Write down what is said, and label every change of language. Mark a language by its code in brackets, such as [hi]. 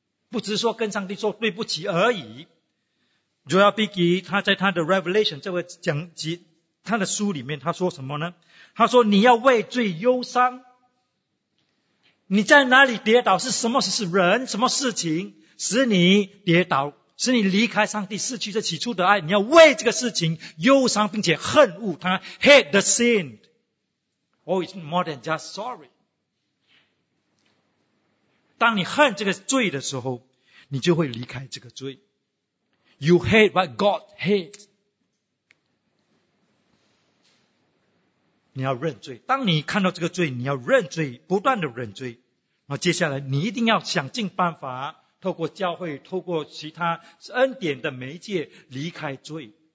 [zh] 不只是说跟上帝说对不起而已。Joel Beakey 他在他的 Revelation 这个讲集他的书里面他说什么呢？他说你要为罪忧伤。你在哪里跌倒，是什么是人，什么事情使你跌倒，是你离开上帝失去这起初的爱，你要为这个事情忧伤并且恨恶他。 [en] Hate the sin. Oh, it's more than just sorry. [zh] 当你恨这个罪的时候，你就会离开这个罪。 [en] You hate what God hates. [zh] 你要认罪。当你看到这个罪，你要认罪，不断的认罪。那接下来你一定要想尽办法透过教会，透过其他恩典的媒介离开罪。